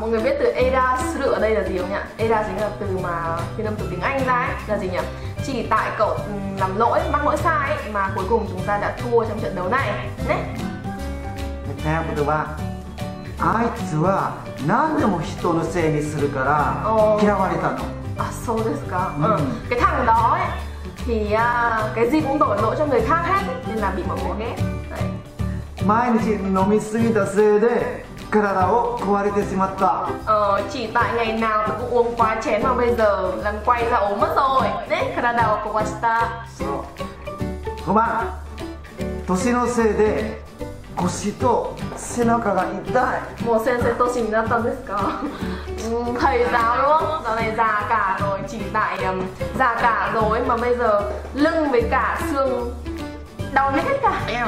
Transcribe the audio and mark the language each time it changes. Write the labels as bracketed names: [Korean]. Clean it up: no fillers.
[Vietnamese] Mọi người biết từ error するở đây là gì không nhỉ? Error chính là từ mà phiên âm từ tiếng Anh ra ấy, là gì nhỉ? Chỉ tại cậu làm lỗi, mắc lỗi sai ấy, mà cuối cùng chúng ta đã thua trong trận đấu này. Tiếp theo câu thứ ba. [Japanese] あいつは何でも人のせいにするから嫌われたの。あ、そうですか。 [Vietnamese] cái thằng đó ấy thì cái gì cũng đổ lỗi cho người khác hết nên là bị mọi người ghét. [Japanese] 毎日飲みすぎたせいで体を壊れてしまった。 [Vietnamese] chỉ tại ngày nào tôi cũng uống quá chén mà bây giờ làm quay ra ốm mất rồi. [Japanese] Né, 体を壊した。そう。ごめん。年のせいで。腰と背中が痛い。もう先生年になったんですか？ [Vietnamese] thầy già luôn, giờ này già cả rồi, chỉ tại già cả rồi mà bây giờ lưng với cả xương đau hết cả.